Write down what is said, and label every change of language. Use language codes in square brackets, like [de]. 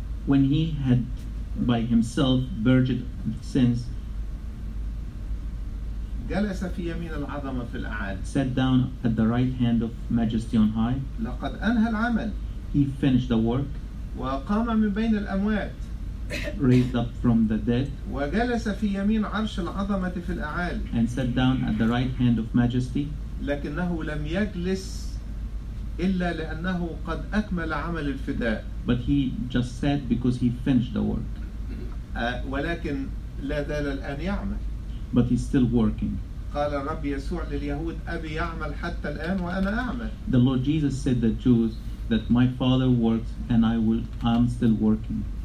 [en] When he had by himself purged sins. [ar] جلس في يمين العظمة في الأعالي. [en] Sat down at the right hand of Majesty on high. [ar] لقد أنهى العمل. [en] He finished the work. [ar] وقام من بين الأموات. [en] Raised up from the dead. [ar] وجلس في يمين عرش العظمة في الأعالي. [en] And sat down at the right hand of Majesty. [ar] لكنه لم يجلس إلا لأنه قد أكمل عمل الفداء. [en] But he just sat because he finished the work. [ar] ولكن لا زال الآن يعمل. [en] But he's still working. [ar] قال الرب يسوع لليهود أبي يعمل حتى الآن وأنا أعمل. [en] The Lord Jesus said to the Jews that my Father works and I'm still working.